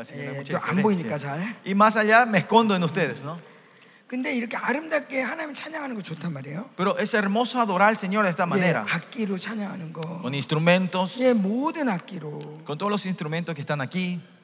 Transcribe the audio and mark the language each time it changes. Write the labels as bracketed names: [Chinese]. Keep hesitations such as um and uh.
[Spanish] Así yeah, no hay mucha [Korean] 보이니까 잘. [Spanish] Y más allá me escondo en ustedes, ¿no? [Korean] 근데 이렇게 아름답게 하나님 찬양하는 거 좋단 말이에요. [Spanish] Pero es hermoso adorar al Señor de esta manera. [Korean] 예, 악기로 찬양하는 거. [Spanish] Con instrumentos. [Korean] 예, 모든 악기로. [Spanish] Con todos los instrumentos que están aquí.